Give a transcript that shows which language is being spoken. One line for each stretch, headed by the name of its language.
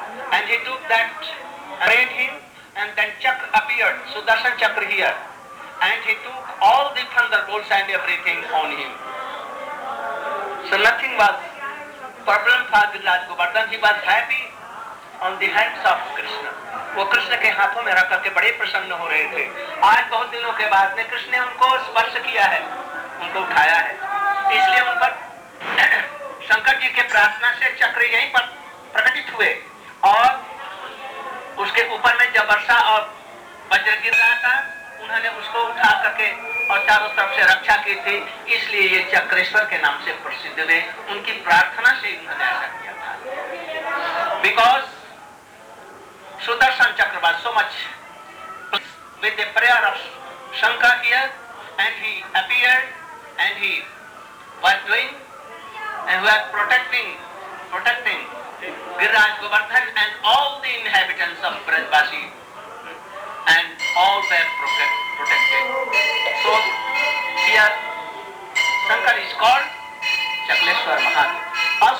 English: And he took that, prayed him, and then Chakra appeared, Sudarshan Chakra here. And he took all the thunderbolts and everything on him. So nothing was problem for Giriraj Govardhan. He was happy on the hands of Krishna.
Hindi: वो कृष्ण के हाथों में रखकर के बड़े प्रसन्न हो रहे थे। आज बहुत दिनों के बाद में कृष्ण ने उनको स्पर्श किया है, उनको उठाया है। इसलिए उन पर शंकर जी के प्रार्थना से चक्र यहीं पर प्रकटित हुए। और उसके ऊपर में जब वर्षा और वज्र गिर रहा था, उन्होंने उसको उठा करके और चारों तरफ से रक्षा की थी, इसलिए ये चक्रेश्वर के नाम से प्रसिद्ध हुए। उनकी प्रार्थना से उन्होंने ऐसा किया था।
English: Because Sudarshan Chakra was so much with the prayer of Shankar here and he appeared and he was doing and was protecting Giriraj Govardhan and all the inhabitants of Brajbasi, and all were protected. So here Shankar is called Chakleshwar Mahadev.